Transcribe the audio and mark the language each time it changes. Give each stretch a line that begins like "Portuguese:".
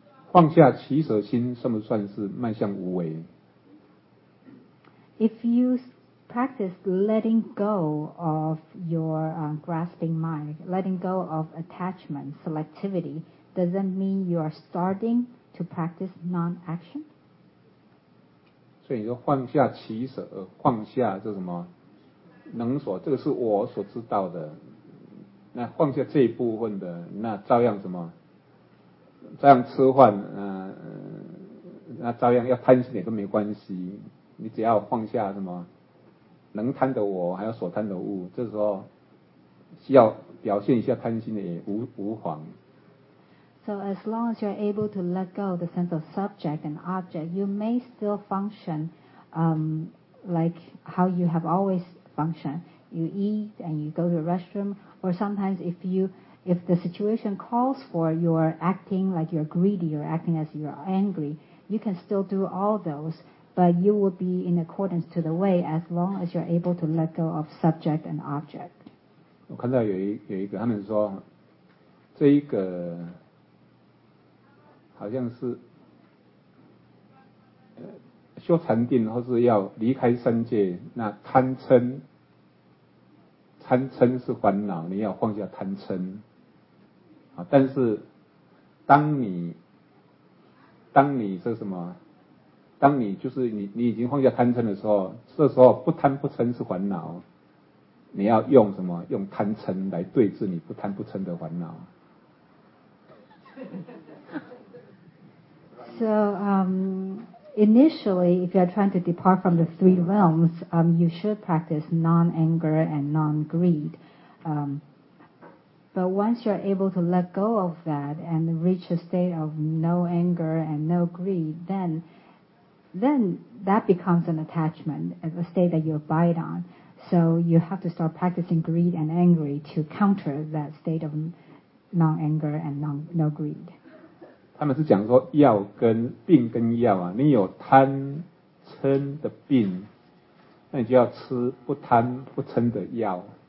Chinese: 放下取舍心算不算是迈向无为？
English: If you practice letting go of your grasping mind, letting go of attachment, selectivity, does that mean you are starting to practice non-action?
Chinese: 所以你说放下取舍，放下这什么能所，这个是我所知道的，那放下这一部分的，那照样什么照样吃饭，那照样要贪心也都没关系，你只要放下什么能贪的我还有所贪的物，这时候需要表现一下贪心也无妨。
English: So as long as you're able to let go the sense of subject and object, you may still function like how you have always functioned. You eat and you go to the restroom, or sometimes if the situation calls for your acting like you're greedy or acting as you're angry, you can still do all those, but you will be in accordance to the way as long as you're able to let go of subject and object.
Chinese: 我看到有一个他们说这一个好像是修禅定或是要离开三界，那贪嗔是烦恼，你要放下贪嗔。但是当你是什么，当你就是你已经放下贪嗔的时候，这时候不贪不嗔是烦恼，你要用什么，用贪嗔来对治你不贪不嗔的烦恼。
English: So initially, if you are trying to depart from the three realms, you should practice non-anger and non-greed. But once you're able to let go of that and reach a state of no anger and no greed, then that becomes an attachment, a state that you abide on. So you have to start practicing greed and anger to counter that state of non-anger and no greed.
Chinese: 他们是讲说药跟病跟药啊，你有贪嗔的病，那你就要吃不贪不嗔的药。